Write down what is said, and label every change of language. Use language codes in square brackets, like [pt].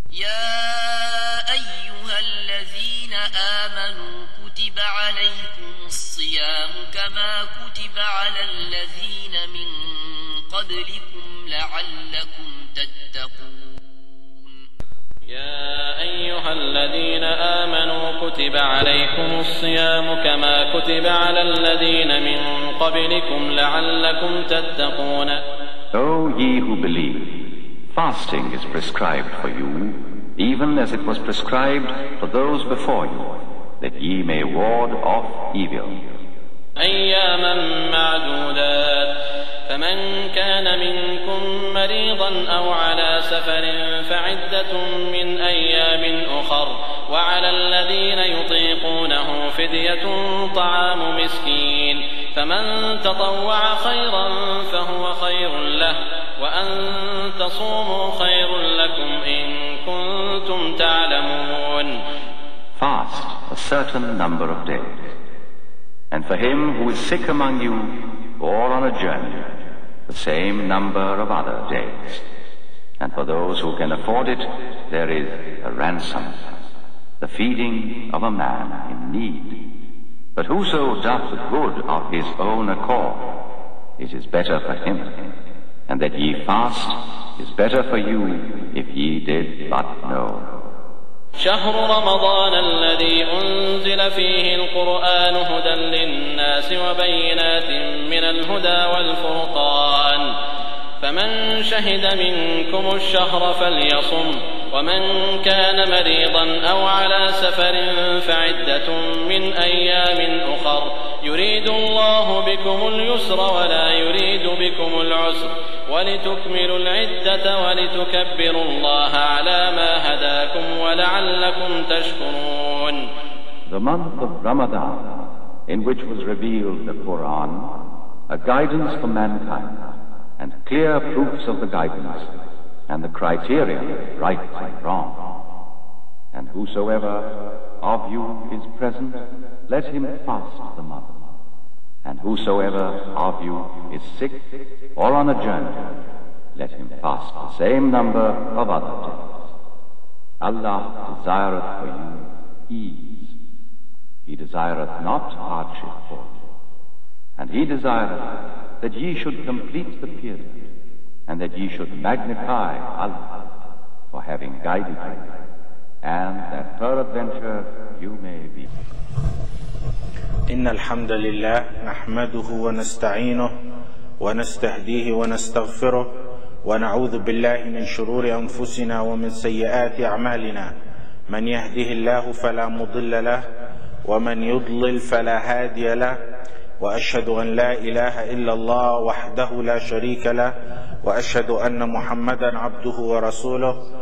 [ar] يا أيها الذين آمنوا كتب عليكم الصيام كما كتب على الذين من قبلكم لعلكم تتقون. يا أيها الذين آمنوا كتب عليكم الصيام كما كتب على الذين من قبلكم لعلكم تتقون. [en] O ye who believe, fasting is prescribed for you, even as it was prescribed for those before you, that ye may ward off evil. [ar] أياماً معدودات فمن كان منكم مريضاً أو على سفر فعدة من أيام أخر وعلى الذين يطيقونه فدية طعام مسكين فمن تطوع خيراً فهو خير له وأن تصوموا خير لكم إن كنتم تعلمون. [en] Fast a certain number of days. And for him who is sick among you, or on a journey, the same number of other days. And for those who can afford it, there is a ransom, the feeding of a man in need. But whoso doth the good of his own accord, it is better for him. And that ye fast is better for you if ye did but know. [ar] شهر رمضان الذي أنزل فيه القرآن هدى للناس وبينات من الهدى والفرقان فمن شهد منكم الشهر فليصم ومن كان مريضا أو على سفر فعدة من أيام أخر يريد الله بكم اليسر ولا يريد بكم العسر ولتكملوا العدة ولتكبروا الله على ما هداكم ولعلكم تشكرون. [en] The month of Ramadan, in which was revealed the Quran, a guidance for mankind, and clear proofs of the guidance, and the criteria right and wrong. And whosoever of you is present, let him fast the month. And whosoever of you is sick or on a journey, let him fast the same number of other days. Allah desireth for you ease. He desireth not hardship for you. And He desireth that ye should complete the period, and that ye should magnify Allah for having guided you, and that peradventure you may be. [ar] إن الحمد لله نحمده ونستعينه ونستهديه ونستغفره ونعوذ بالله من شرور أنفسنا ومن سيئات أعمالنا من يهده الله فلا مضل له ومن يضلل فلا هادي له وأشهد أن لا إله إلا الله وحده لا شريك له وأشهد أن محمدا عبده ورسوله